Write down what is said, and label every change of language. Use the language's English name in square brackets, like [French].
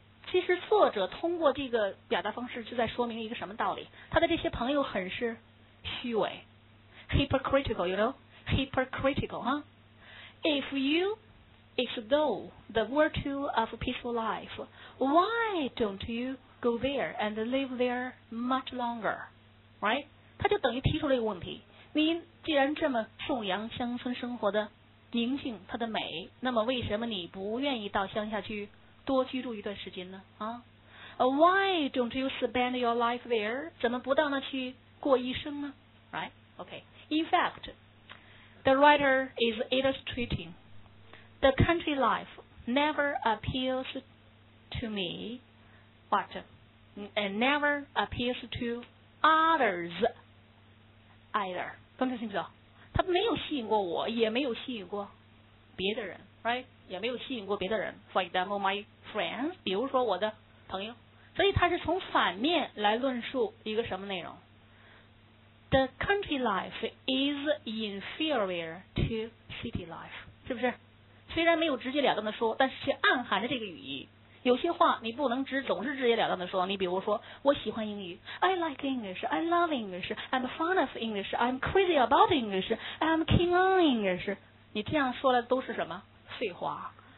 [Chinese] 其实作者通过这个表达方式就在说明一个什么道理他的这些朋友很是虚伪 [English] Hypocritical, you know? Hypocritical, huh? If youExthough the virtue of a peaceful life, why don't you go there and live there much longer? Right? [Chinese] 他就等于提出了一个问题。你既然这么颂扬乡村生活的宁静它的美那么为什么你不愿意到乡下去多居住一段时间呢？ [English] 啊、why don't you spend your life there? [Chinese] 怎么不到那去过一生呢？ [English] Right? Okay. In fact, the writer is illustrating the country life never appeals to me, but never appeals to others either. [Chinese] 刚才听不懂？他没有吸引过我，也没有吸引过别的人， right? 也没有吸引过别的人。 [English] For example, my friends, [Chinese] 比如说我的朋友。所以他是从反面来论述一个什么内容？ [English] The country life is inferior to city life. [Chinese] 是不是？虽然没有直截了当的说，但是却暗含着这个语义。有些话你不能总是直截了当的说。你比如说，我喜欢英语， [English] I like English, I love English, I'm fond of English, I'm crazy about English, I'm keen on English. [Chinese] 你这样说的都是什么废话？